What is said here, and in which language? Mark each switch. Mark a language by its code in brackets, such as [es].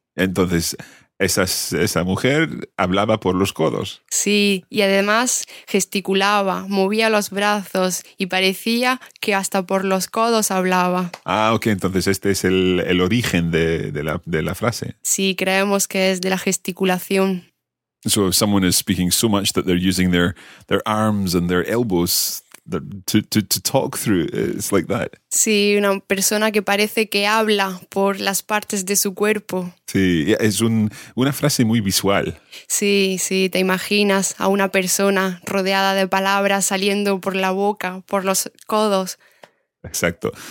[es] Entonces, Esa mujer hablaba por los codos. Sí, y además gesticulaba, movía los brazos y parecía que hasta por los codos hablaba. Ah, ok, entonces este es el origen de la frase. Sí, creemos que es de la gesticulación. [en] So if someone is speaking so much that they're using their arms and their elbows to talk through, it's like that. [es] Sí, una persona que parece que habla por las partes de su cuerpo. Sí, es una frase muy visual. Sí, sí, te imaginas a una persona rodeada de palabras saliendo por la boca, por los codos. Exacto.